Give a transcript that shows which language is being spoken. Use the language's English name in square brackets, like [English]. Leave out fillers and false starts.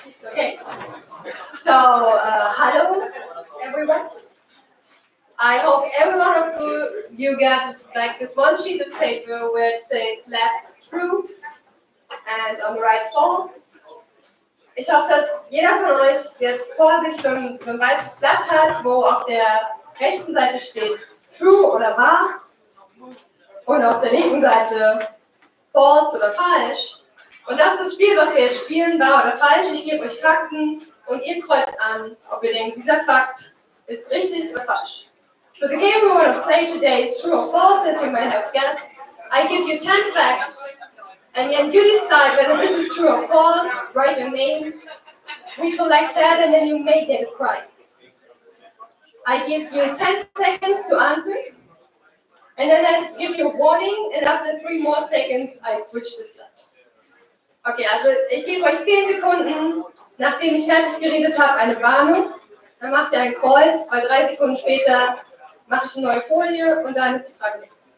[English] Okay, so hello everyone. I hope every one of you got like this one sheet of paper where it says left true and on the right false. [German] Ich hoffe, dass jeder von euch jetzt vor sich so ein weißes Blatt hat, wo auf der rechten Seite steht true oder wahr und auf der linken Seite false oder falsch. Und das ist das Spiel, was wir jetzt spielen, wahr oder falsch. Ich gebe euch Fakten und ihr kreuzt an, ob ihr denkt, dieser Fakt ist richtig oder falsch. [English] So the game we want to play today is true or false, as you might have guessed. I give you 10 facts. And then you decide whether this is true or false, write your name, recollect that, and then you may get a prize. I give you 10 seconds to answer, and then I give you a warning, and after 3 more seconds, I switch the slot. [German] Okay, also ich gebe euch 10 Sekunden, nachdem ich fertig geredet habe, eine Warnung. Dann macht ihr ein Kreuz, weil 3 Sekunden später mache ich eine neue Folie, und dann ist die Frage weg.